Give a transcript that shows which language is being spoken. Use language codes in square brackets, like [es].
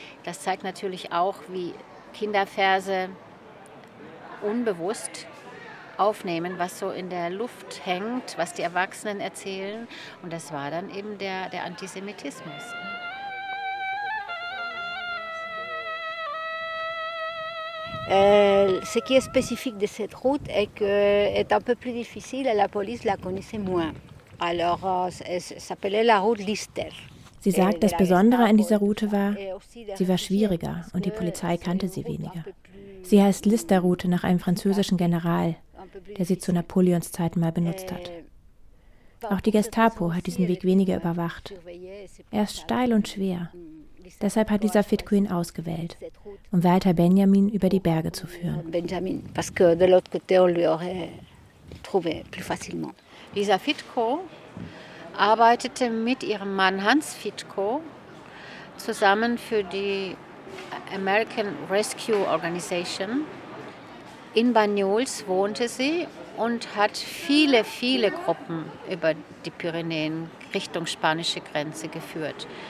[de] Das zeigt natürlich auch, wie Kinderverse unbewusst aufnehmen, was so in der Luft hängt, was die Erwachsenen erzählen. Und das war dann eben der Antisemitismus. [fr] Ce qui est spécifique de cette route est que est un peu plus difficile et la police la connaissait moins. Alors, elle s'appelait la route Lister. [de] Sie sagt, das Besondere an dieser Route war, sie war schwieriger und die Polizei kannte sie weniger. Sie heißt Lister-Route nach einem französischen General, der sie zu Napoleons Zeiten mal benutzt hat. Auch die Gestapo hat diesen Weg weniger überwacht. Er ist steil und schwer. Deshalb hat dieser Fit Queen ausgewählt, um Walter Benjamin über die Berge zu führen. [fr] Benjamin, parce que de l'autre côté on lui aurait trouvé plus facilement. [de] Lisa Fitko arbeitete mit ihrem Mann Hans Fitko zusammen für die American Rescue Organization. In Banyuls wohnte sie und hat viele, viele Gruppen über die Pyrenäen Richtung spanische Grenze geführt.